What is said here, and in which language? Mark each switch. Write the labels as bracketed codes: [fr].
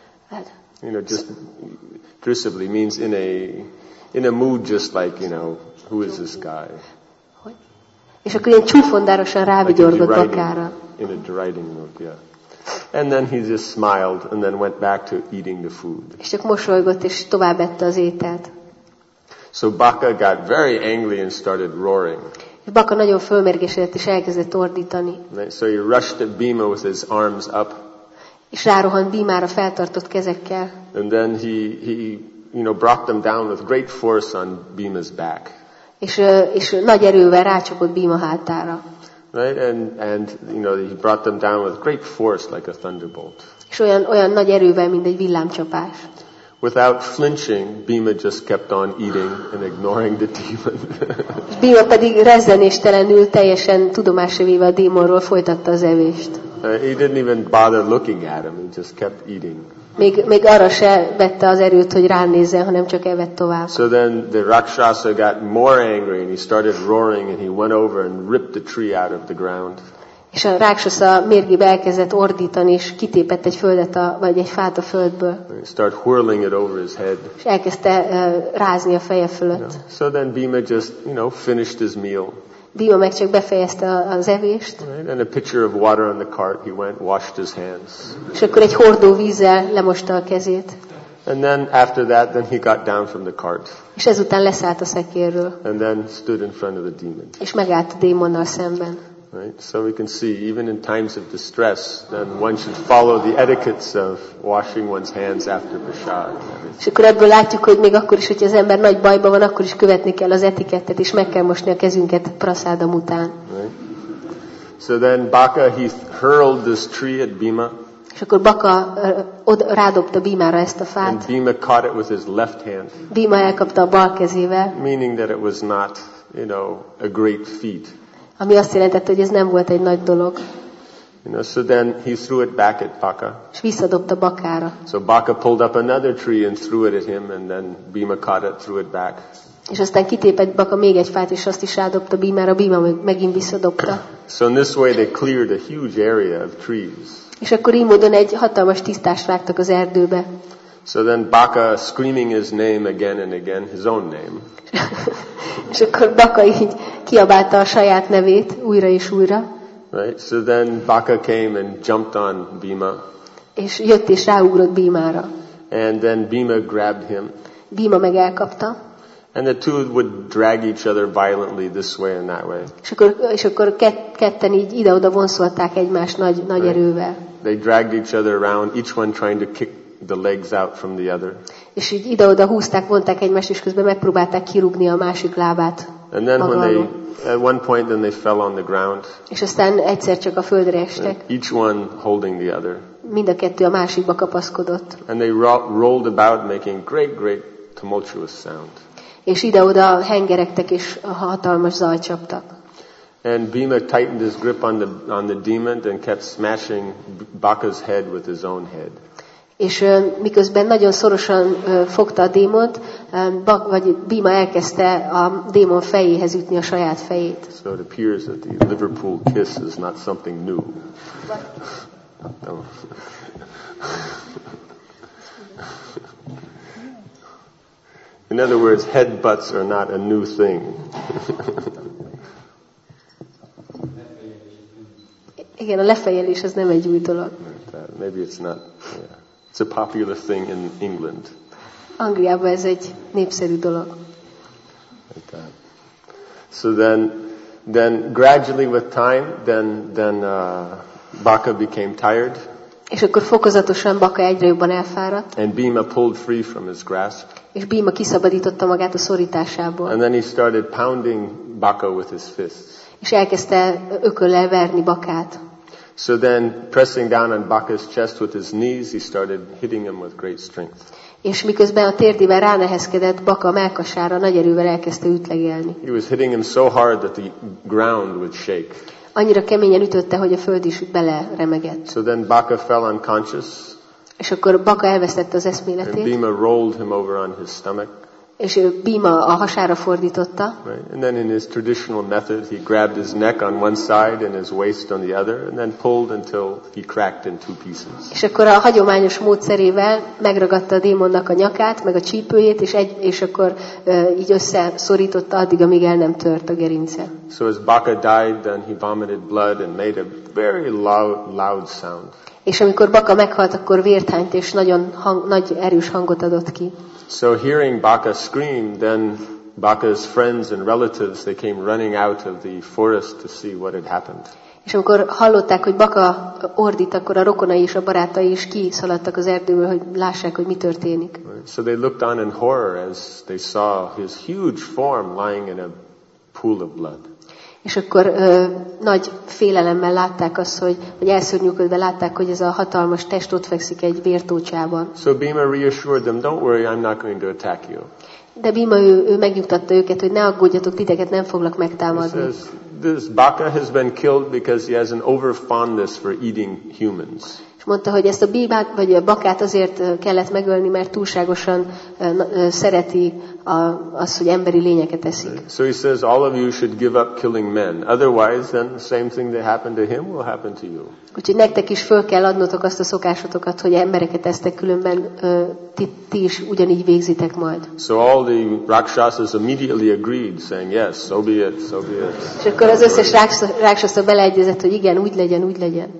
[en] You know, just derisively means in a mood just like, you know, who is this guy? [hu] És akkor ilyen csúfondárosan rávigyorgott Bakára. [en] In a deriding mood, yeah. And then he just smiled and then went back to eating the food. [hu] És csak mosolygott és tovább ette az ételt. [en] So Baka got very angry and started roaring. [hu] Baka nagyon fölmérgesedett és elkezdett ordítani. [en] So he rushed at Bhima with his arms up. [hu] És rárohant Bhimára feltartott kezekkel. [en] And then he you know, brought them down with great force on Bhima's back. [hu] És nagy erővel rácsapott Bhima hátára. [en] Right, and you know, he brought them down with great force like a thunderbolt. [hu] És olyan nagy erővel, mint egy villámcsapás. [en] Without flinching, Bhima just kept on eating and ignoring the demon. [hu] Bhima pedig rezzenéstelenül, teljesen tudomásra véve a démonról folytatta az evést. [en] He didn't even bother looking at him. He just kept eating. [hu] Még arra se vette az erőt, hogy ránézzen, hanem csak evett tovább. [en] So then the rakshasa got more angry and he started roaring and he went over and ripped the tree out of the ground. [hu] És a rákshasa mérgébe elkezdett ordítani, és kitépett egy földet vagy egy fát a földből. [en] He start whirling it over his head. [hu] És elkezdte rázni a feje fölött. [en] No. So then Bhima just, you know, finished his meal. [hu] Bhima meg csak befejezte az evést. [en] Right, and a pitcher of water on the cart, he went, washed his hands. [hu] És akkor egy hordó vízzel lemosta a kezét. [en] And then after that, then he got down from the cart. [hu] És ezután leszállt a szekérről. [en] And then stood in front of the demon. [hu] És megállt a démonnal szemben. [en] Right, so we can see, even in times of distress, then one should follow the etiquettes of washing one's hands after prasad. [hu] És akkor ebből látjuk, hogy még akkor is, hogy az ember nagy bajban van, akkor is követni kell az etikettet, és meg kell mosni a kezünket prasádam után. [en] Right. So then Baka, he hurled this tree at Bhima. [hu] És akkor Baka rádobta Bhimára ezt a fát. [en] And Bhima caught it with his left hand. [hu] Bhima elkapta a bal kezével. [en] Meaning that it was not, you know, a great feat. [hu] Ami azt jelentette, hogy ez nem volt egy nagy dolog. [en] You know, so then he threw it back at Baka. [hu] És visszadobta Bakára. [en] So Baka pulled up another tree and threw it at him, and then Bhima caught it, threw it back. [hu] És aztán kitépett Baka még egy fát, és azt is rádobta Bhimára, Bhima megint visszadobta. [en] So in this way they cleared a huge area of trees. [hu] És akkor így módon egy hatalmas tisztást vágtak az erdőbe. [en] So then Baka screaming his name again and again, his own name. [hu] És akkor Baka így kiabálta a saját nevét újra és újra. [en] Right. So then Baka came and jumped on Bhima. [hu] És jött és ráugrott Bhimára. [en] And then Bhima grabbed him. [hu] Bhima meg elkapta. [en] And the two would drag each other violently this way and that way. [hu] És akkor ketten így ide-oda vonszolták egymást nagy [en] right. [hu] erővel. [en] They dragged each other around, each one trying to kick the legs out from the other. [hu] És így ide-oda húzták, vonták egymást, és közben megpróbálták kirúgni a másik lábát. [en] And then when they at one point then they fell on the ground. [hu] És aztán egyszer csak a földre estek. [en] Each one holding the other. [hu] Mind a kettő a másikba kapaszkodott. [en] And they rolled about making great, great tumultuous sound. [hu] És ide-oda hengeregtek és hatalmas zaj csaptak. [en] And Bhima tightened his grip on the demon and kept smashing Baka's head with his own head. [hu] És miközben nagyon szorosan fogta a démont, Bhima elkezdte a démon fejéhez ütni a saját fejét. [en] So it appears that the Liverpool kiss is not something new. No. In other words, headbutts are not a new thing. [hu] Igen, a lefejelés az nem egy új dolog. [en] Maybe it's not, yeah. It's a popular thing in England. [hu] Angliában ez egy népszerű dolog. [en] Like so then gradually with time, then Baka became tired. [hu] És akkor fokozatosan Baka egyre jobban elfáradt. [en] And Bhima pulled free from his grasp. [hu] És Bhima kiszabadította magát a szorításából. [en] And then he started pounding Baka with his fists. [hu] És elkezdte ököllel verni Bakát. [en] So then, pressing down on Baka's chest with his knees, he started hitting him with great strength. [hu] És miközben a térdével ránehezkedett, Baka mellkasára nagy erővel elkezdte ütlegelni. [en] He was hitting him so hard that the ground would shake. [hu] Annyira keményen ütötte, hogy a föld is beleremegett. [en] So then Baka fell unconscious. [hu] És akkor Baka elvesztette az eszméletét. [en] And Bhima rolled him over on his stomach. [hu] És Bhima a hasára fordította. [en] Right. And then in his traditional method, he grabbed his neck on one side and his waist on the other, and then pulled until he cracked in two pieces. [hu] És akkor a hagyományos módszerével megragadta a démonnak a nyakát, meg a csípőjét, és akkor így összeszorította addig, amíg el nem tört a gerince. [en] So as Baka died, then he vomited blood and made a very loud sound. [hu] És amikor Baka meghalt, akkor vért hányt, és nagyon nagy erős hangot adott ki. [en] So hearing Baka scream, then Baka's friends and relatives, they came running out of the forest to see what had happened. [hu] És amikor hallották, hogy Baka ordít, akkor a rokonai és a barátai is kiszaladtak az erdőből, hogy lássák, hogy mi történik. [en] So they looked on in horror as they saw his huge form lying in a pool of blood. [hu] És akkor nagy félelemmel látták azt, hogy elszörnyűködve látták, hogy ez a hatalmas test ott fekszik egy vértócsában. [en] So Bhima reassured them, don't worry, I'm not going to attack you. [hu] De Bhima ő megnyugtatta őket, hogy ne aggódjatok, titeket nem foglak megtámadni. [en] He says, this baka has been killed because he has an over fondness for eating humans. [hu] És mondta, hogy ezt a bíbát, vagy a bakát azért kellett megölni, mert túlságosan szereti azt, hogy emberi lényeket eszik. [en] So he says, all of you should give up killing men. Otherwise, then the same thing that happened to him will happen to you. [hu] Úgyhogy nektek is föl kell adnotok azt a szokásotokat, hogy embereket esztek, különben ti is ugyanígy végzitek majd. [en] So all the rakshasas immediately agreed, saying, yes, so be it, so be it. [hu] És akkor az összes rakshasa beleegyezett, hogy igen, úgy legyen, úgy legyen.